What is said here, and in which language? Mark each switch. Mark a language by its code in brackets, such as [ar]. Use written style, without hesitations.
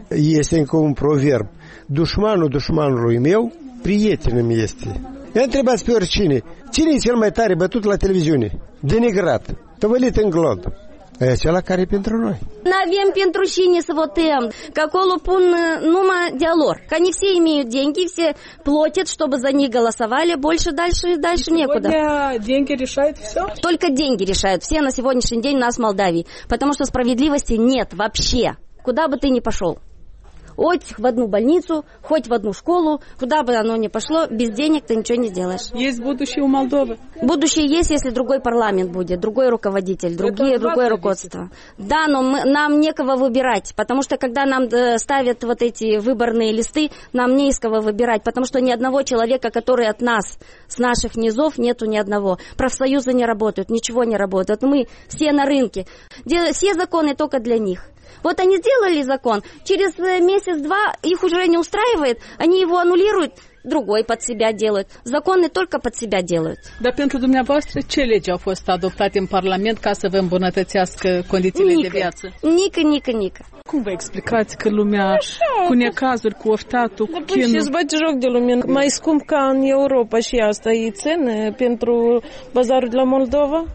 [ro] Este încă un proverb. Dușmanul dușmanului meu, prietenul meu este. Ia întrebați pe oricine. Cine e cel mai tare bătut la televiziune? Denigrat, tăvălit în glod. E acela care e pentru noi. N-avem pentru cine să votăm, că acolo pun numai de-a lor. [ru] Că они все имеют деньги, все платят, чтобы за них голосовали, больше дальше и дальше некуда. Сегодня деньги решают все? Только деньги решают все на сегодняшний день у нас в Молдавии. Потому что справедливости нет вообще, куда бы ты ни пошел. Хоть в одну больницу, хоть в одну школу, куда бы оно ни пошло, без денег ты ничего не сделаешь. Есть будущее у Молдовы? Будущее есть, если другой парламент будет, другой руководитель, другое руководство. Да, но нам некого выбирать, потому что когда нам ставят вот эти выборные листы, нам не из кого выбирать, потому что ни одного человека, который от нас, с наших низов, нету ни одного. Профсоюзы не работают, ничего не работает. Мы все на рынке. Все законы только для них. Вот они сделали закон, через месяц-два их уже не устраивает, они его аннулируют, другой под себя делают. Законы только под себя делают. [ro] Да, pentru dumneavoastră, ce legi au fost adoptate în parlament ca să vă îmbunătățească condițiile de viață? Nică. Cum vă explicați că lumea cu necazuri, cu oftatul, cu chinul? Și-ți bate joc de lumină. Mai scump ca în Europa și asta e țenă pentru bazarul de la Moldova.